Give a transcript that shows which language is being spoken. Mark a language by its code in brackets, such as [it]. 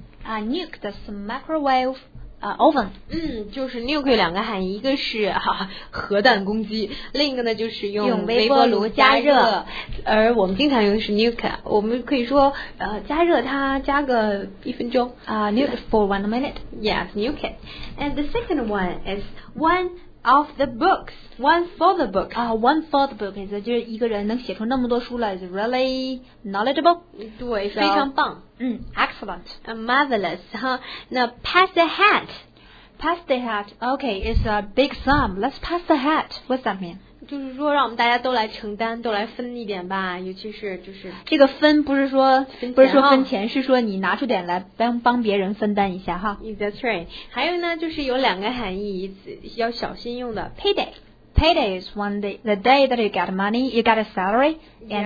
[en] 啊 ，nuke the microwave。Oven， [zh] 就是 nuke 有两个含义，一个是哈、核弹攻击，另一个呢就是用微波炉加热。而我们经常用的是 nuke， 我们可以说加热它加个一分钟 [en] 啊、nuke for 1 minute， yes， nuke it。 And the second one is one of the books， one for the book， [zh] 啊、 [en] one for the book， [zh] 就是一个人能写出那么多书来， [en] is really knowledgeable， [zh] 对， so, 非常棒。 [en] Excellent. Marvelous, huh? Now, pass the hat. Pass the hat. Okay, it's a big sum. Let's pass the hat. What's that mean? [zh] 就是说让我们大家都来承担都来分一点吧，尤其是就是这个分不是说不是说分钱，是说你拿出点来帮别人分担一下哈。 [en] That's right. [zh] 还有呢就是有两个含义要小心用的， payday [en] Payday is one day, the day that you get money, you get a salary, and、